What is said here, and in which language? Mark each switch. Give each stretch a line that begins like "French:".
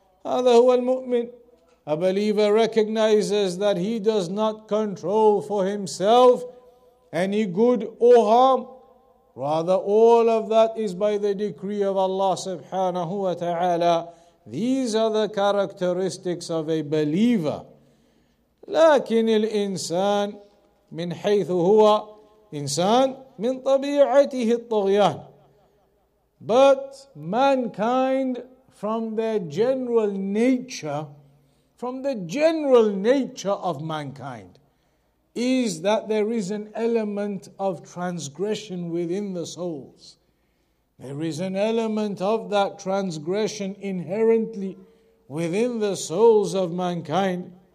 Arabic: هذا هو المؤمن.
English: A believer recognizes that he does not control for himself any good or harm. Rather, all of that is by the decree of Allah subhanahu wa ta'ala. These are the characteristics of a believer.
Arabic: لكن الإنسان من حيث هو إنسان من طبيعته الطغيان.
English: But mankind, from their general nature, from the general nature of mankind, is that there is an element of transgression within the souls. There is an element of that transgression inherently within the souls of mankind.